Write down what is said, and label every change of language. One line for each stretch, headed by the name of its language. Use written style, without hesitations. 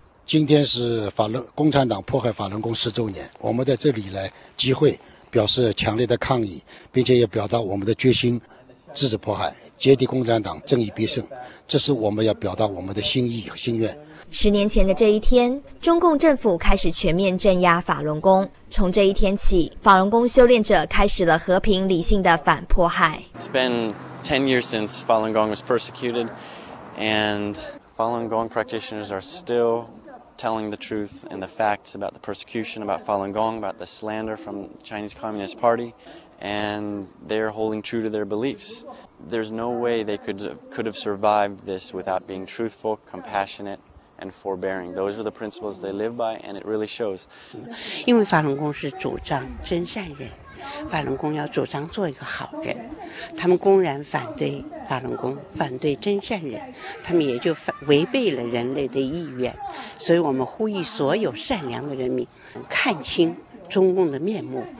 Chinese: 今天是共产党迫害法轮功10周年，我们在这里来集会，表示强烈的抗议，并且也表达我们的决心，制止迫害，揭谛共产党，正义必胜，这是我们要表达我们的心意和心愿。 10年前的这一天，中共政府开始全面镇压法轮功。从这一天起，法轮功修炼者开始了和平理性的反迫害。
English: It's been 10 years since Falun Gong was persecuted, and Falun Gong practitioners are still telling the truth and the facts about the persecution, about Falun Gong, about the slander from Chinese Communist Party. And they're holding true to their beliefs. There's no way they could have survived this without being truthful, compassionate, and forbearing. Those are the principles they live by, and it really shows.
Chinese: 因为法轮功是主张真善人，法轮功要主张做一个好人。他们公然反对法轮功，反对真善人，他们也就违背了人类的意愿。所以我们呼吁所有善良的人民看清中共的面目。